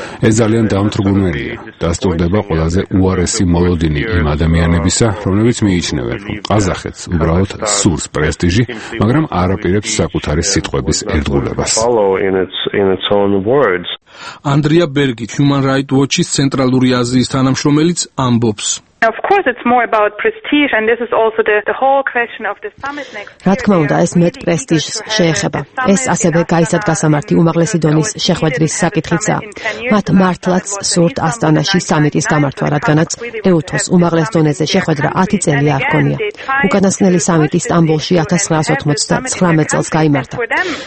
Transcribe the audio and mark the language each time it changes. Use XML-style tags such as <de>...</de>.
<ka>ეს ძალიან დამთრგუნველია. დასტურდება ყველაზე უარესი მოლოდინი იმ ადამიანებისა, რომლებიც მიიჩნევენ, რომ ყაზახეთს უბრალოდ სურს პრესტიჟი, მაგრამ არ აპირებს საკუთარი სიტყვების ერთგულებას. Андрія Бергіт, Human Rights Watch-ის ცენტრალური აზიის თანამშრომელიც, ამბობს:</ka> <en>Of course it's more about prestige and this is also the whole question of the summit next year.</en> <ka>Ратქმა უნდა ეს მეტ პრესტიჟს შეეხება. ეს ასევე გაისად გასამართი უმაღლესი დონის შეხვედრის საკითხიცა. მათ მართლაც სურთ ასტანაში სამიტის გამართვა, რადგანაც ეუთოს უმაღლეს დონეზე შეხვედრა 10 წელი არ ჰქონია. უკანასკნელი სამიტი სტამბოლში 1999 წელს გაიმართა.</ka>